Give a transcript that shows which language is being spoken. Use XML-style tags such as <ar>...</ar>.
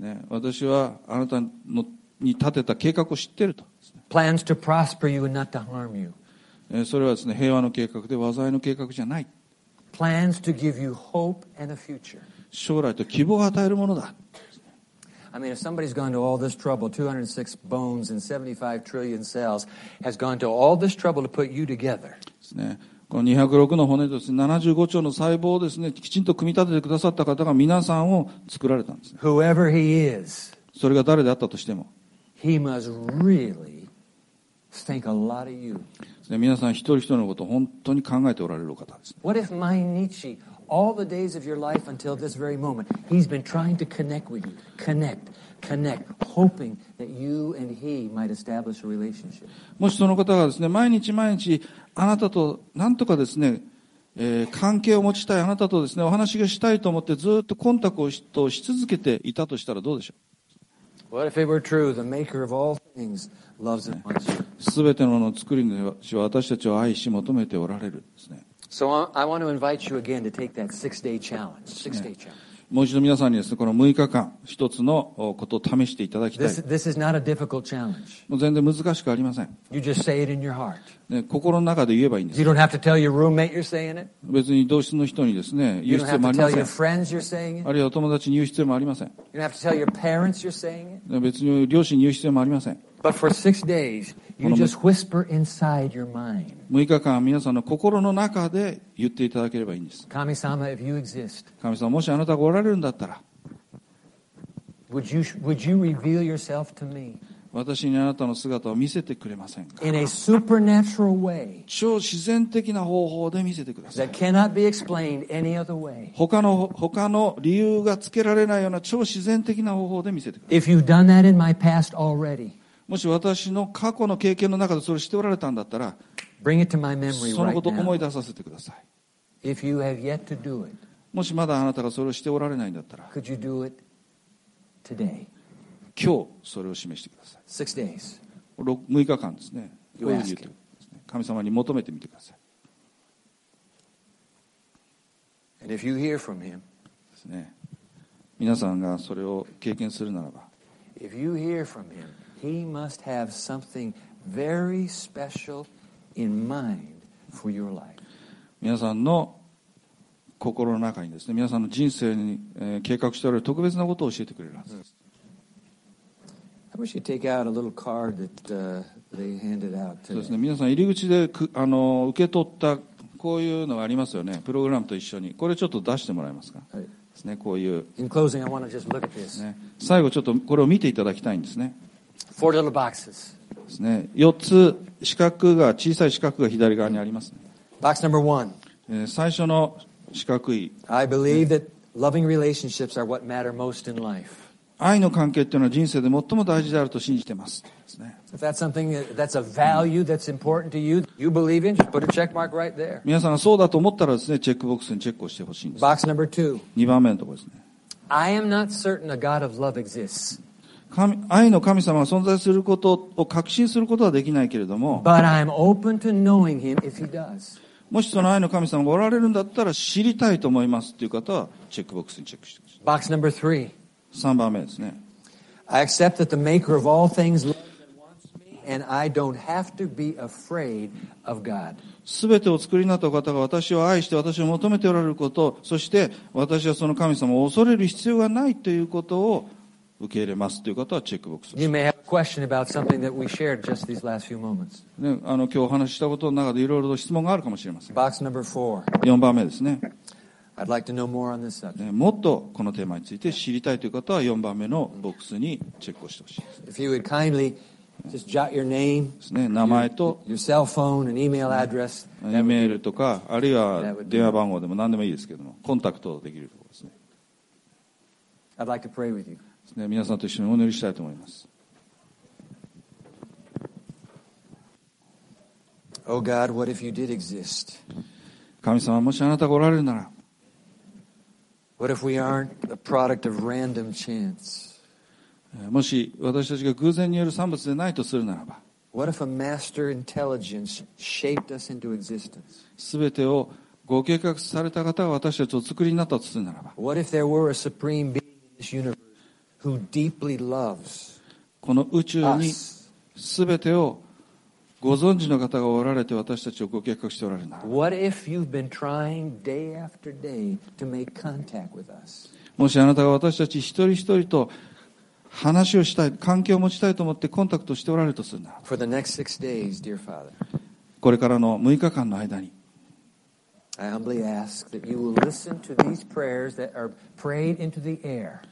<ja>私はあなたに立てた計画を知っていると。</ja> <en>Plans to prosper you and not to harm you.</en> <ja>それはですね、平和の計画で災いの計画じゃない。</ja> <en>Plans to give you hope and a future.</en> <ja>将来と希望を与えるものだ。</ja> <en>I mean, if somebody's gone to all this trouble, 206 bones and 75 trillion cells, has gone to all this trouble to put you together.</en> <ja>ですね。この206の骨とですね、75兆の細胞をですね、きちんと組み立ててくださった方が皆さんを作られたんですね。</ja> <en>Whoever he is,</en> <ja>それが誰であったとしても、</ja> <en>he must really think a lot of you.</en> <ja>ですね、皆さん一人一人のことを本当に考えておられる方ですね。</ja> <en>What if Mainichi, all the days of your life until this very moment, he's been trying to connect with you, connect, hoping that you and he might establish a relationship.</en> <ja>もしその方がですね、毎日毎日あなたと何とかですね、関係を持ちたい、あなたとですね、お話がしたいと思ってずっとコンタクトをし続けていたとしたらどうでしょう。</ja> <en>What if it were true, the maker of all things loves and wants you.</en> <ja>すべてのものを作り主は私たちを愛し求めておられるですね。</ja> <en>So I want to invite you again to take that six-day challenge.</en> <ja>もう一度皆さんにですね、この6日間、一つのことを試していただきたい。</ja> <en>This is not a difficult challenge.</en> <ja>もう全然難しくありません。</ja> <en>You just say it in your heart.</en> <ja>ね、心の中で言えばいいんです。</ja> <en>You don't have to tell your roommate you're saying it.</en> <ja>別に同室の人にですね、言う必要もありません。</ja> <en>You don't have to tell your friends you're saying it.</en> <ja>あるいは友達に言う必要もありません。</ja> <en>You don't have to tell your parents you're saying it.</en> <ja>別に両親に言う必要もありません。</ja> <en>But for six days, you just whisper inside your mind.</en> <ja>6日間皆さんの心の中で言っていただければいいんです。</ja> <en>神様, if you exist,</en> <ja>神様もしあなたがおられるんだったら、</ja> <en>would you reveal yourself to me?</en> <ja>私にあなたの姿を見せてくれませんか?</ja> <en>In a supernatural way,</en> <ja>超自然的な方法で見せてください。</ja> <en>That cannot be explained any other way.</en> <ja>他の理由がつけられないような超自然的な方法で見せてください。</ja> <en>If you've done that in my past already,</en> <ja>もし私の過去の経験の中でそれをしておられたんだったら、</ja> <en>Bring it to my memory right now.</en> <ja>そのことを思い出させてください。</ja> <en>If you have yet to do it,</en> <ja>もしまだあなたがそれをしておられないんだったら、</ja> <en>Could you do it today?</en> <ja>今日それを示してください。</ja> <en>Six days.</en> <ja>6日間ですね。こういうふうに言ってください。神様に求めてみてください。</ja> <en>And if you hear from him,</en> <ja>ですね。皆さんがそれを経験するならば、</ja> <en>If you hear from him,He must have something very special in mind for your life.</en> <ja>皆さんの心の中にですね、皆さんの人生に計画しておられる特別なことを教えてくれるはずです。</ja> <en>I wish you take out a little card that they handed out today.</en> <ja>そうですね、皆さん入り口で受け取ったこういうのがありますよね。プログラムと一緒にこれちょっと出してもらえますか。ですね、こういう。</ja> <en>In closing, I want to just look at this.</en> <ja>最後ちょっとこれを見ていただきたいんですね。</ja> <en>Four little boxes.</en> <ja>ですね。四つ四角が小さい四角が左側にありますね。</ja> <en>Box number one.</en> <ja>最初の四角い。</ja> <en>I believe that loving relationships are what matter most in life.</en> <ja>愛の関係っていうのは人生で最も大事であると信じてます。ですね。</ja> <en>If that's something that's a value that's important to you, you believe in, just put a check mark right there.</en> <ja>皆さんがそうだと思ったらですね、チェックボックスにチェックをしてほしいんです。</ja> <en>Box number two.</en> <ja>二番目のところですね。</ja> <en>I am not certain a God of love exists.</en> <ja>愛の神様が存在することを確信することはできないけれども、</ja> <en>But I'm open to knowing him if he does.</en> <ja>もしその愛の神様がおられるんだったら知りたいと思いますという方はチェックボックスにチェックしてください。</ja> <en>Box number three.</en> <ja>三番目ですね。</ja> <en>I accept that the maker of all things loves and wants me, and I don't have to be afraid of God.</en> <ja>すべてを作りになった方が私を愛して私を求めておられること、そして私はその神様を恐れる必要がないということを受け入れますという方はチェックボックスを。</ja> <en>You may have a question about something that we shared just these last few moments.</en> <ja>ね、今日お話ししたことの中でいろいろと質問があるかもしれません。</ja> <en>Box number four.</en> <ja>4番目ですね。</ja> <en>I'd like to know more on this subject.</en> <ja>ね、もっとこのテーマについて知りたいという方は4番目のボックスにチェックをしてほしいです。</ja> <en>If you would kindly just jot your name,</en> <ja>ですね、名前と、</ja> <en>your cell phone and email address.</en> <ja>E メールとか、あるいは電話番号でも何でもいいですけども、コンタクトできるところですね。</ja> <en>I'd like to pray with you.</en> <ja>ね、皆さんと一緒にお祈りしたいと思います。</ja> <en>Oh God, what if you did exist?</en> <ja>神様、もしあなたがおられるなら、</ja> <en>What if we aren't the product of random chance?</en> <ja>もし私たちが偶然による産物でないとするならば、</ja> <en>What if a master intelligence shaped us into existence?</en> <ja>すべてをご計画された方が私たちを作りになったとするならば、</ja> <en>What if there were a supreme being in this universe? Who deeply loves</en> <ja>この宇宙にすべてをご存知の方がおられて私たちをご計画しておられるなら</ja> <en>What if you've been trying day after day to make contact with us?</en> <ja>もしあなたが私たち一人一人と話をしたい関係を持ちたいと思ってコンタクトしておられるとするなら</ja> <en>For the next six days, dear Father,</en> <ja>これからの6日間の間に</ja> <en>I humbly ask that you will listen to these prayers that are prayed into the air.</en>